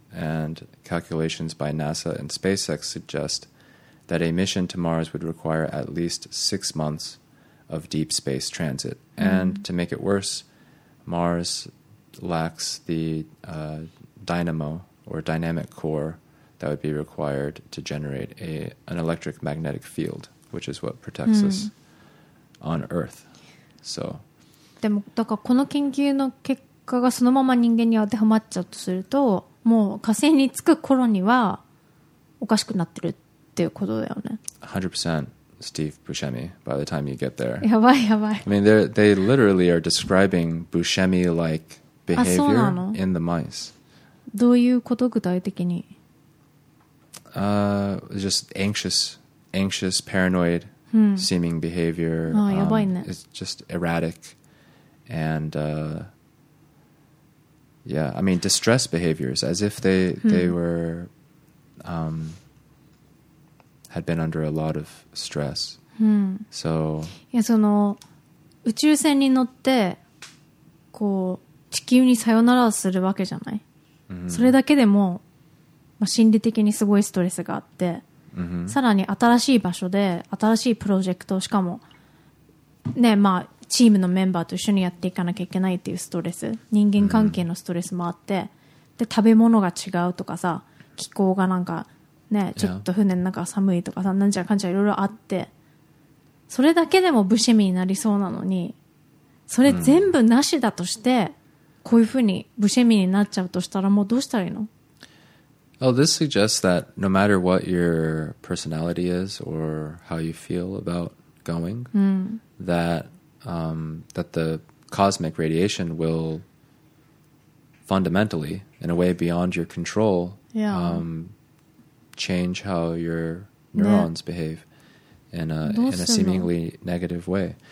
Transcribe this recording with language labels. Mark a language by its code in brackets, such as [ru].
[en] And calculations by NASA and SpaceX suggest that a mission to Mars would require at least 6 months of deep space transit. Mm. And to make it worse, Mars lacks the dynamo or dynamic core that would be required to generate an electric magnetic field, which is what protects us on Earth. So... [ja] でもだからこの研究の結果がそのまま人間に当てはまっちゃうとするともう火星に着く頃にはおかしくなってるっていうことだよね [en] 100% Steve Buscemi by the time you get there. [ja] やばいやばい。 [en] I mean, they literally are describing Buscemi-like behavior in the mice. [ja] どういうこと具体的に? [en] Just anxious, paranoid seeming behavior. [ja] あ、やばいね。 [en] It's just erratic and... Yeah, I mean, distress behaviors, as if they were, had been under a lot of stress. So, [ja] yeah, その宇宙船に乗ってこう地球にさよならするわけじゃない。それだけでも、まあ、心理的にすごいストレスがあって、さらに新しい場所で新しいプロジェクトしかもね、まあチームのメンバーと一緒にやっていかなきゃいけないっていうストレス、人間関係のストレスもあって、で食べ物が違うとかさ、気候がなんかね、ちょっと船の中寒いとかさ、なんちゃらかんちゃらいろいろあって、それだけでもブシェミになりそうなのに、それ全部なしだとして、こういうふうにブシェミになっちゃうとしたらもうどうしたらいいの？ [en] Well, this suggests that no matter what your personality is or how you feel about going, thatthat the cosmic radiation will fundamentally, in a way beyond your control, change how your neurons behave in a seemingly negative way.